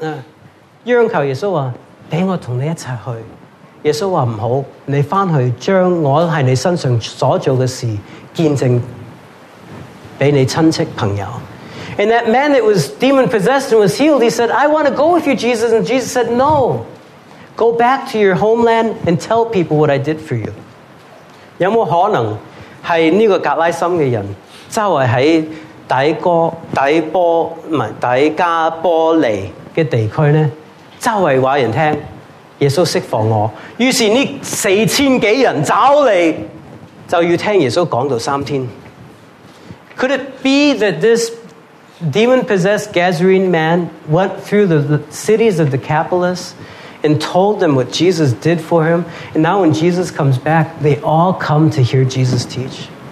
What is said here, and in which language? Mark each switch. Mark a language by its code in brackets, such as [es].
[zh] 那个被鬼附着呢，央求耶稣说，让我同你一起去。耶稣说不好，你回去将我在你身上所做的事见证。给你亲戚朋友, [en] and that man that was demon possessed and was healed, he said, I want to go with you, Jesus. And Jesus said, no, go back to your homeland and tell people what I did for you. [zh] 有没有可能是这个格拉森的人周围在底加波利的地区呢周围告诉人耶稣释放我于是这4000多人走来就要听耶稣讲到三天。 [en] Could it be that this demon-possessed Gazarene man went through the cities of Decapolis and told them what Jesus did for him? And now when Jesus comes back, they all come to hear Jesus teach.